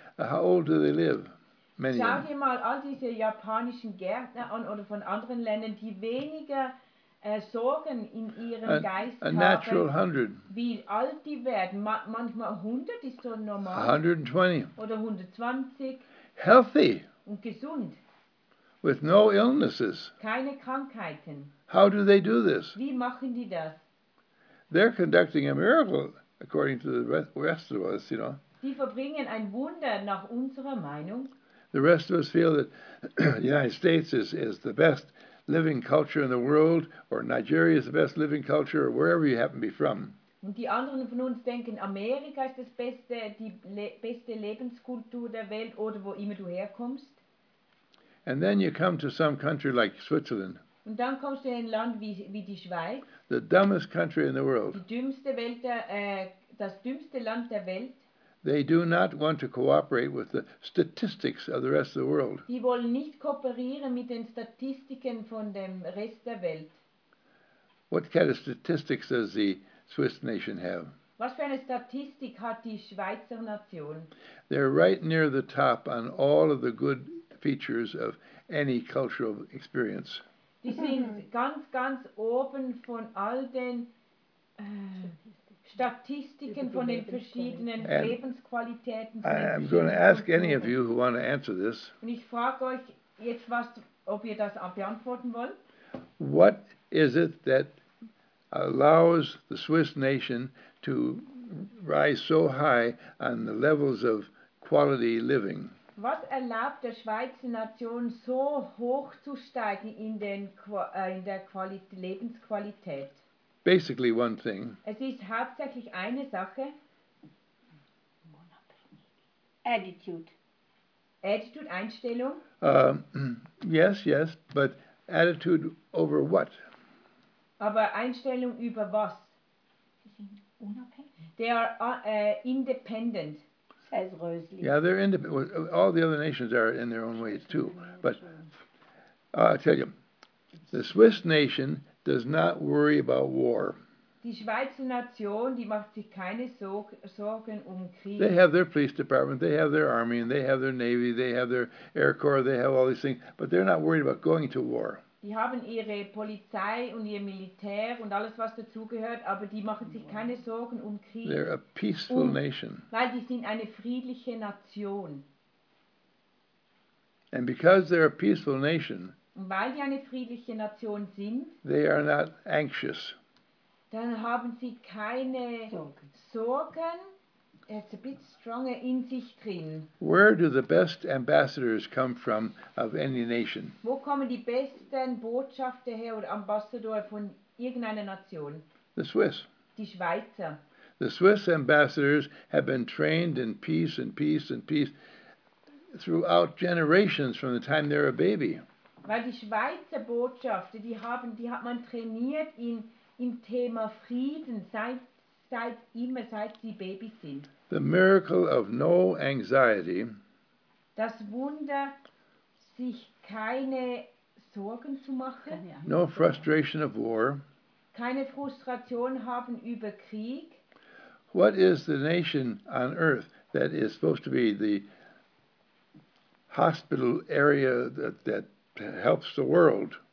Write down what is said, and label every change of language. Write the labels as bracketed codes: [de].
[en] How old do they live? Many. [de] Schau dir mal all diese japanischen Gärtner an oder von anderen Ländern, die weniger Sorgen in ihrem Geist haben. [en] A natural 100. [de] Wie alt die werden? Manchmal 100 ist so normal. [en] 120. [de] Oder 120. [en] Healthy. [de] Und gesund. [en] With no illnesses. [de] Keine Krankheiten. [en] How do they do this? [de] Wie machen die das? [en] They're conducting a miracle, according to the rest of us, you know. [de] Die verbringen ein Wunder nach unserer Meinung. [en] The rest of us feel that the United States is the best living culture in the world, or Nigeria is the best living culture, or wherever you happen to be from. [de] Und die anderen von uns denken, Amerika ist das beste, die beste Lebenskultur der Welt, oder wo immer du herkommst. [en] And then you come to some country like Switzerland. [de] Und dann kommst du in ein Land wie die Schweiz. [en] The dumbest country in the world. [de] Die dümmste Welt das dümmste Land der Welt. [en] They do not want to cooperate with the statistics of the rest of the world. [de] Die wollen nicht kooperieren mit den Statistiken von dem Rest der Welt. [en] What kind of statistics does the Swiss nation have? [de] Was für eine Statistik hat die Schweizer Nation? [en] They're right near the top on all of the good features of any cultural experience. [de] Die sind ganz, ganz oben von all den Statistiken von den verschiedenen Lebensqualitäten. [en] I'm going to ask any of you who want to answer this. [de] Und ich frage euch jetzt was, ob ihr das beantworten wollt. [en] What is it that allows the Swiss nation to rise so high on the levels of quality living? [de] Was erlaubt der Schweizer Nation so hoch zu steigen in der Lebensqualität? [en] Basically one thing. [de] Es ist hauptsächlich eine Sache. [en] Attitude, [de] Einstellung. [en] Yes, but attitude over what? [de] Aber Einstellung über was? Sie sind unabhängig. [en] They are independent. Yeah, they're independent. All the other nations are in their own ways too. But I tell you, the Swiss nation does not worry about war. [de] Die Schweizer Nation, die macht sich keine Sorgen Krieg. [en] They have their police department, they have their army, and they have their navy, they have their air corps, they have all these things. But they're not worried about going to war. [de] Die haben ihre Polizei und ihr Militär und alles, was dazugehört, aber die machen sich keine Sorgen Krieg. [en] They're a peaceful nation. [de] Weil die sind eine friedliche Nation. [en] And because they're a peaceful nation, [de] und weil die eine friedliche Nation sind, [en] they are not anxious. [de] Dann haben sie keine Sorgen. [en] It's a bit stronger [de] in sich drin. [en] Where do the best ambassadors come from of any nation? [de] Wo kommen die besten Botschafter her oder Ambassador von irgendeiner Nation? [en] The Swiss. [de] Die Schweizer. [en] The Swiss ambassadors have been trained in peace and peace and peace throughout generations from the time they're a baby. [de] Weil die Schweizer Botschafter, die hat man trainiert in im Thema Frieden seit immer, seit sie Baby sind. [en] The miracle of no anxiety. [de] Das Wunder, sich keine Sorgen zu machen. [en] No frustration of war. [de] Keine Frustration haben über Krieg. [en] What is the nation on earth that is supposed to be the hospital area that helps the world?